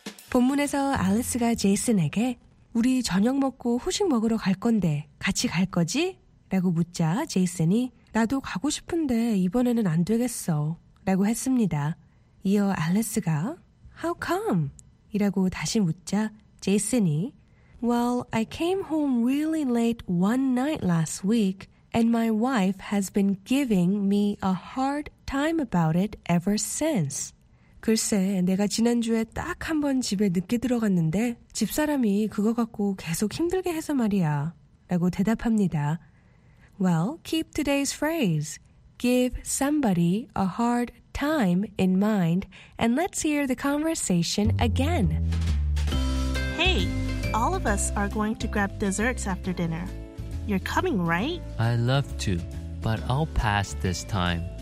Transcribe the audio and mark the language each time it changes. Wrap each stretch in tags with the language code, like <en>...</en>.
<ko>본문에서 알리스가 제이슨에게 우리 저녁 먹고 후식 먹으러 갈 건데 같이 갈 거지? 라고 묻자 제이슨이 나도 가고 싶은데 이번에는 안 되겠어 라고 했습니다. 이어 알리스가</ko> <en>How come?</en> <ko>이라고 다시 묻자 제이슨이</ko> <en>Well, I came home really late one night last week, and my wife has been giving me a hard time about it ever since.</en> <ko>글쎄, 내가 지난주에 딱 한번 집에 늦게 들어갔는데 집사람이 그거 갖고 계속 힘들게 해서 말이야 라고 대답합니다.</ko> <en>Well, keep today's phrase. Give somebody a hard time in mind and let's hear the conversation again. Hey, all of us are going to grab desserts after dinner. You're coming, right? I love to, but I'll pass this time.</en>